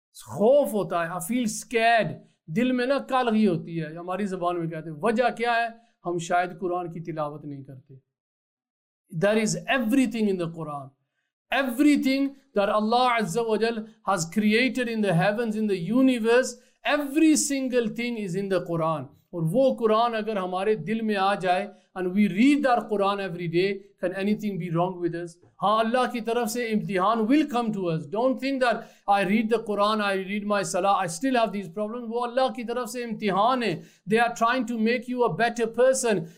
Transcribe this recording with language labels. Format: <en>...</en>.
<ur>خوف ہوتا ہے,</ur> <en>I feel scared,</en> <ur>دل میں نا کالگی ہوتی ہے, ہماری زبان میں کہتے ہیں. وجہ کیا ہے؟ ہم شاید قرآن کی تلاوت نہیں کرتے.</ur> <en>There is everything in the Quran, everything there Allah عز و جل has created in the heavens, in the universe, every single thing is in the Quran.</en> <ur>اور وہ قرآن اگر ہمارے دل میں آ جائے,</ur> <en>And we read there Quran every day, can anything be wrong with us?</en> <ur>ہاں, اللہ کی طرف سے امتحان</ur> <en>Will come to us. Don't think that I read the Quran, I read my صلاح, I still have these problem.</en> <ur>وہ اللہ کی طرف سے امتحان ہے.</ur> <en>They are trying to make you a better person.</en>